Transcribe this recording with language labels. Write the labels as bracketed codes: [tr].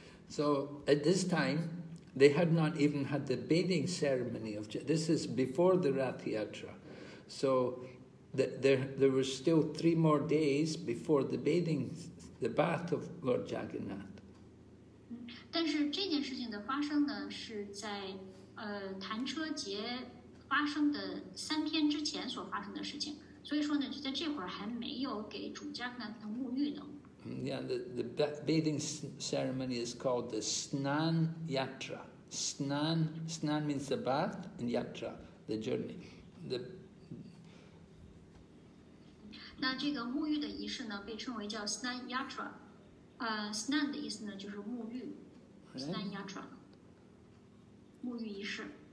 [en] so, at this time,They had not even had the bathing ceremony of this is before the Rathiyatra, so there were still three more days before the bath of Lord Jagannath. [zh] 但是这件事情的发生呢，是在弹车节发生的三天之前所发生的事情，所以说呢，就在这会儿还没有给主 Jagannath 沐浴呢。 [en] Yeah, the bathing ceremony is called the Snan Yatra. Snan means the bath, and Yatra, the journey. The [zh] 那这个沐浴的仪式呢，被称为叫 Snan Yatra. Snan 的意思呢，就是沐浴 ，Snan Yatra， 沐浴仪式。